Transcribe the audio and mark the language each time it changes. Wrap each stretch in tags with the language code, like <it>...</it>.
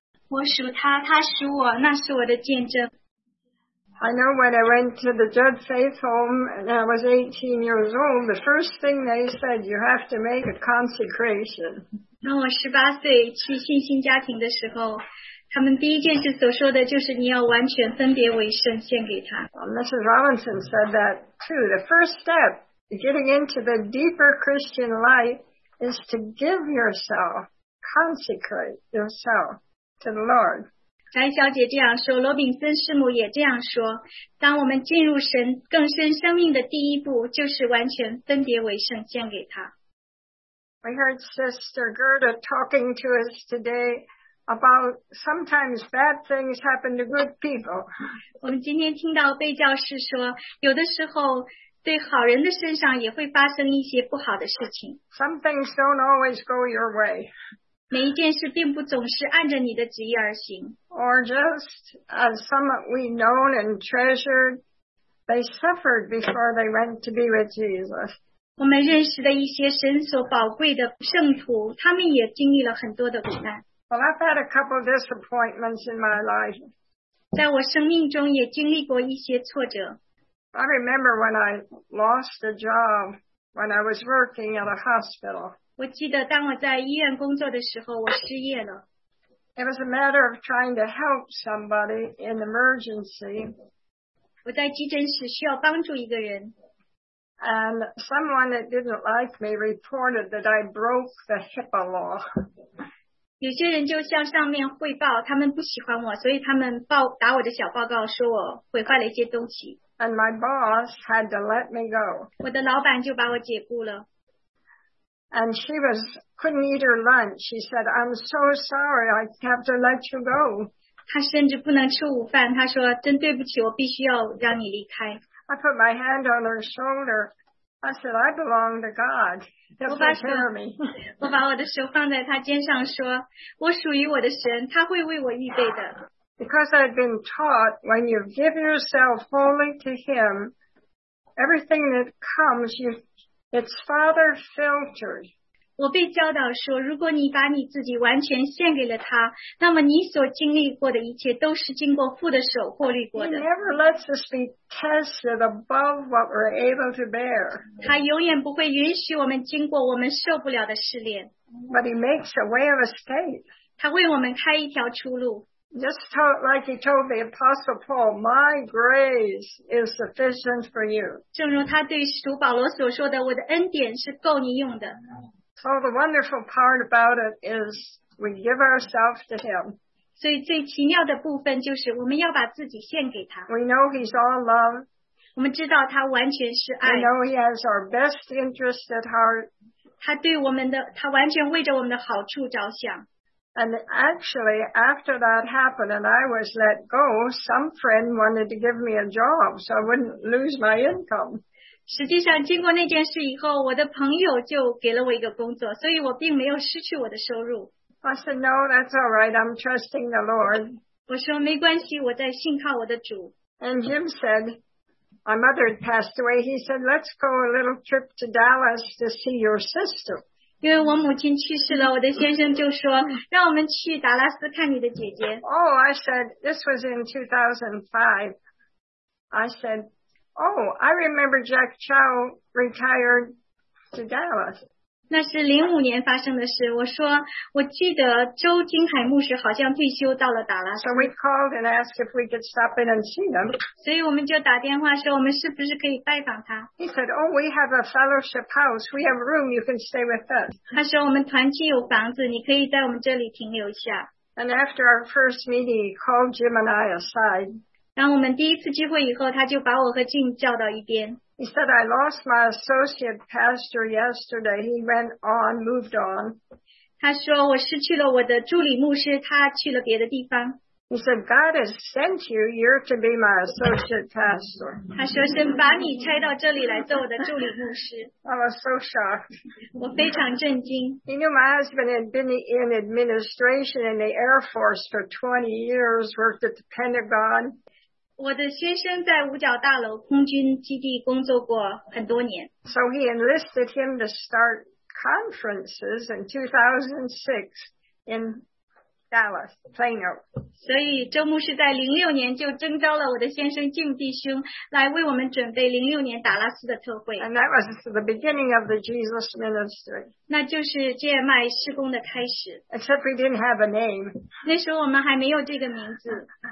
<zh>我属他，他属我，那是我的见证。</zh> <en>I know when I went to the Judd Faith home and I was 18 years old, the first thing they said, you have to make a consecration.</en> <zh>当我18岁去信心家庭的时候，他们第一件事所说的就是你要完全分别为圣献给他。</zh> <en>Mrs. Robinson said that too. The first step in getting into the deeper Christian life is to give yourself, consecrate yourself to the Lord.</en> <zh>翟小姐这样说，罗炳森师母也这样说，当我们进入神更深生命的第一步就是完全分别为圣献给他。</zh> <en>We heard Sister Gerda talking to us today about sometimes bad things happen to good people.</en> <zh>我们今天听到贝教士说，有的时候对好人的身上也会发生一些不好的事情。</zh> <en>Some things don't always go your way.</en> <zh>每一件事并不总是按着你的旨意而行。</zh> <en>Or just as some we known and treasured, they suffered before they went to be with Jesus.</en> <zh>我们认识的一些神所宝贵的圣徒，他们也经历了很多的苦难。</zh> <en>Well, I've had a couple of disappointments in my life.</en> <zh>在我生命中也经历过一些挫折。</zh> <en>I remember when I lost a job when I was working at a hospital.</en> <zh>我记得当我在医院工作的时候，我失业了。</zh> <en>It was a matter of trying to help somebody in emergency.</en> <zh>我在急诊室需要帮助一个人。</zh> <en>And someone that didn't like me reported that I broke the HIPAA law.</en> <zh>有些人就向上面汇报，他们不喜欢我，所以他们报打我的小报告，说我毁坏了一些东西。</zh> <en>And my boss had to let me go.</en> <zh>我的老板就把我解雇了。</zh> <en>And she was couldn't eat her lunch. She said, "I'm so sorry, I have to let you go."</en> <zh>她甚至不能吃午饭。她说，真对不起，我必须要让你离开。</zh> <en>I put my hand on her shoulder. I said, "I belong to God. He'll take care of me."</en> <zh>我把我的手放在她肩上，说，我属于我的神，他会为我预备的。</zh> <en>Because I'd been taught when you give yourself wholly to Him, everything that comes, it's Father filtered.</en> <zh>我被教导说，如果你把你自己完全献给了他，那么你所经历过的一切都是经过父的手过滤过的。</zh> <en>He never lets us be tested above what we're able to bear.</en> <zh>他永远不会允许我们经过我们受不了的试炼。</zh> <en>But He makes a way of escape.</en> <zh>他为我们开一条出路。</zh> <en>Just like he told the Apostle Paul, "My grace is sufficient for you."</en> <zh>正如他对使徒保罗所说的，我的恩典是够你用的。</zh> <en>So the wonderful part about it is we give ourselves to Him.</en> <zh>所以最奇妙的部分就是我们要把自己献给他。</zh> <en>We know He's all love.</en> <zh>我们知道他完全是爱。</zh> <en>We know He has our best interest at heart.</en> <zh>他对我们的，他完全为着我们的好处着想。</zh> <en>And actually, after that happened and I was let go, some friend wanted to give me a job so I wouldn't lose my income.</en> <zh>实际上经过那件事以后，我的朋友就给了我一个工作，所以我并没有失去我的收入。</zh> <en>I said, "No, that's all right. I'm trusting the Lord."</en> <zh>我说没关系，我在信靠我的主。</zh> <en>And Jim said, my mother had passed away. He said, "Let's go a little trip to Dallas to see your sister."</en> <zh>因为我母亲去世了，我的先生就说，让我们去达拉斯看你的姐姐。</zh> <en>Oh, I said, this was in 2005. I said, oh, I remember Jack Chow retired to Dallas.</en> <zh>那是05年发生的事。我说，我记得周金海牧师好像退休到了达拉斯。</zh> <en>So we called and asked if we could stop in and see them.</en> <zh>所以我们就打电话说，我们是不是可以拜访他。</zh> <en>He said, oh, we have a fellowship house. We have room. You can stay with us.</en> <zh>他说，我们团契有房子，你可以在我们这里停留一下。</zh> <en>And after our first meeting, he called Jim and I aside.</en> <zh>当我们第一次聚会以后，他就把我和Jim叫到一边。</zh> <en>He said, "I lost my associate pastor yesterday." He went on, moved on.</en> <zh>他说我失去了我的助理牧师，他去了别的地方。</zh> <en>He said, "God has sent you. You're to be my associate pastor."</en> <zh>他说神把你拆到这里来做我的助理牧师。</zh> <en>I was so shocked.</en> <zh>我非常震惊。</zh> <en>He knew my husband had been in administration in the Air Force for 20 years, worked at the Pentagon.</en> <zh>我的先生在五角大楼空军基地工作过很多年。</zh> <en>So he enlisted him to start conferences in 2006 in Dallas, Plano.</en> <zh>所以周牧师在06年就征召了我的先生敬弟兄来为我们准备06年达拉斯的特会。</zh> <en>And that was the beginning of the Jesus ministry.</en> <zh>那就是接麦施工的开始。</zh> <en>Except we didn't have a name.</en> <zh>那时候我们还没有这个名字。</zh>